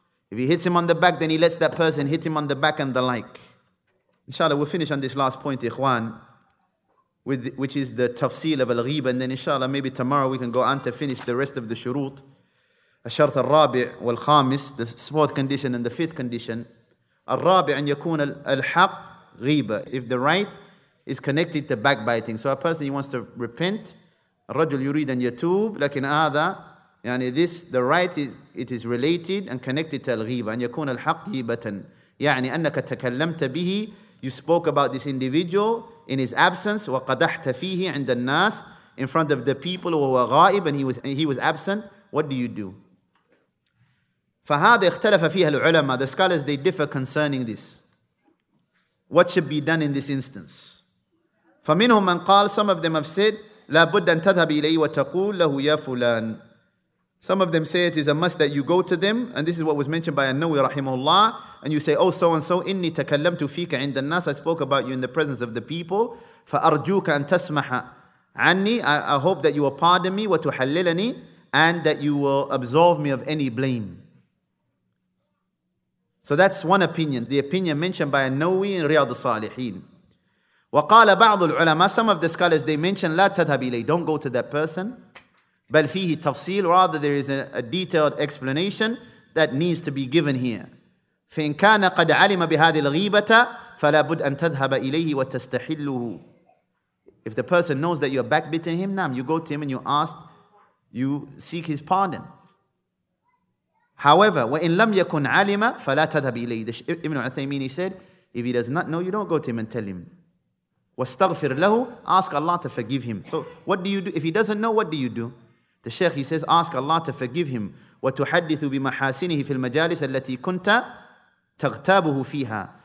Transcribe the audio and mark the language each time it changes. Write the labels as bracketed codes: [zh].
[en] If he hits him on the back, then he lets that person hit him on the back and the like. Inshallah, we'll finish on this last point, Ikhwan, which is the tafsil of al-ghiba. And then inshallah, maybe tomorrow we can go on to finish the rest of the shurut. [ar] الشرط الرابع والخامس, [en] the fourth condition and the fifth condition. [ar] الرابع أن يكون الحق غيبة. [en] If the right is connected to backbiting. So a person, he wants to repent. [ar] الرجل يريد أن يتوب. [en] لكن هذا, this, the right, it is related and connected to الغيبة. [ar] أن يكون الحق غيبة. يعني أنك تكلمت به. [en] You spoke about this individual in his absence. [ar] وقدحت فيه عند الناس. [en] In front of the people. [ar] وهو غائب. [en] And he was absent. What do you do? [ar] فهذا اختلف فيها العلماء. [en] The scholars, they differ concerning this. What should be done in this instance? [ar] فمنهم من قال, [en] some of them have said, [ar] لا بد أن تذهب إليه وتقول له يا فلان. [en] Some of them say it is a must that you go to them. And this is what was mentioned by An-Nawawi رحمه الله. and you say, oh, so and so, [ar] inni takallamtu fika 'inda an-nas, [en] I spoke about you in the presence of the people, [ar] fa arjuka an tasmaha 'anni, [en] I hope that you will pardon me, [ar] wa tuhallilani, [en] and that you will absolve me of any blame. So that's one opinion, the opinion mentioned by An-Nawawi in Riyad al-Salihin. [ar] وَقَالَ بَعْضُ الْعُلَمَاءِ, [en] some of the scholars, they mention, [ar] لَا تَذْهَبْ إِلَيْهِ, [en] don't go to that person. [ar] بَلْ فِيهِ تَفْصِيلٌ, [en] rather there is a detailed explanation that needs to be given here. [ar] فَإِنْ كَانَ قَدْ عَلِمَ بِهَذِهِ الْغِيبَةَ فَلَا بُدْ أَنْ تَذْهَبَ إِلَيْهِ وَتَسْتَحِلُّهُ. [en] If the person knows that you're backbiting him, nam, you go to him and you ask, you seek his pardon. [ar] However, وَإِنْ لَمْ يَكُنْ عَلِمَ فَلَا تَذْهَبْ إِلَيْهِ. [en] Ibn Uthaymeen, he said, if he does not know, you don't go to him and tell him. [ar] وَاسْتَغْفِرْ لَهُ, [en] ask Allah to forgive him. So what do you do? If he doesn't know, what do you do? The Shaykh, he says, ask Allah to forgive him. [ar] وَتُحَدِّثُ بِمَحَاسِنِهِ فِي الْمَجَالِسَ الَّتِي كُنْتَ تَغْتَابُهُ فِيهَا.